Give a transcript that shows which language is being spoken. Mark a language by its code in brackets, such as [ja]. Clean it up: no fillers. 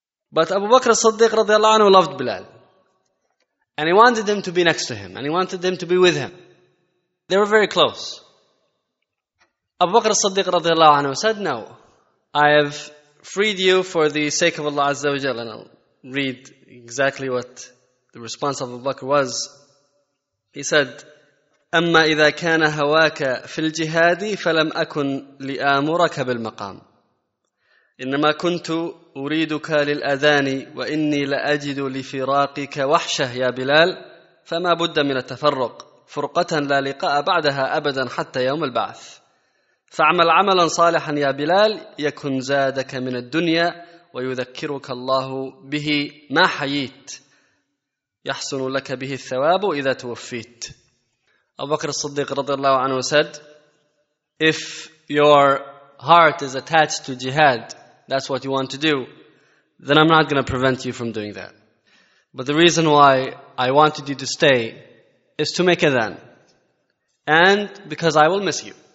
[en] But Abu Bakr as-Siddiq radiallahu anhu loved Bilal. And he wanted him to be next to him. And he wanted him to be with him. They were very close. Abu Bakr as-Siddiq radiallahu anhu said, no, I have freed you for the sake of Allah azza wa jalla. And I'll read exactly what the response of Abu Bakr was. He said, [ar] أما إذا كان هواك في الجهاد فلم أكن لآمرك بالمقام إنما كنت أريدك للأذان وإني لأجد لفراقك وحشة يا بلال فما بد من التفرق فرقة لا لقاء بعدها أبدا حتى يوم البعث فاعمل عملا صالحا يا بلال يكن زادك من الدنيا ويذكرك الله به ما حييت يحسن لك به الثواب إذا توفيت. [en] Abu Bakr as-Siddiq radiallahu anhu said, if your heart is attached to jihad, that's what you want to do, then I'm not going to prevent you from doing that. But the reason why I wanted you to stay is to make adhan, and because I will miss you.